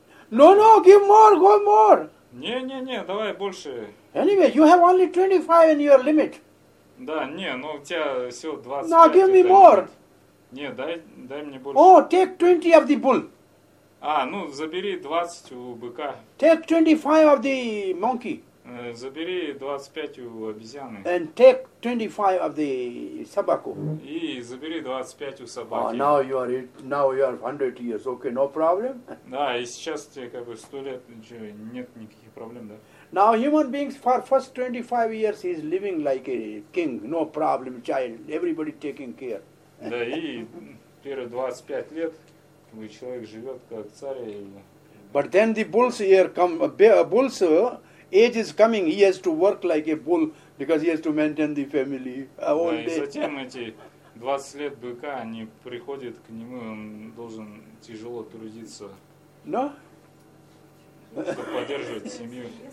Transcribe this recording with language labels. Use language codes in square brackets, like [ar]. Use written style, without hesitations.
[en] No, give more, go more. [ru] Не, давай больше. [en] Anyway, you have only 25 in your limit. [ru] Да, не, но у тебя всего 25. [en] Now give me more. [ru] Не, дай мне больше. [en] О, take 20 of the bull. [ru] Ну, забери 20 у быка. [en] Take 25 of the monkey. [ru] Забери 25 у обезьяны. [en] And take 25 of the собаку. [ru] И забери 25 у собаки. [en] Now you are 100 years, okay, no problem. [ru] Да, и сейчас тебе как бы 100 лет, нет никаких проблем, да? [en] Now human beings for first 25 years is living like a king, no problem, child, everybody taking care. [ru] Да, и первые 25 лет человек живет как царь. [en] But then the bulls here come, bulls... Age is coming, he has to work like a bull because he has to maintain the family all day. [ru] Да, и затем эти 20 лет быка, они приходят к нему, он должен тяжело трудиться. [en] No? [ru] Чтобы поддерживать семью.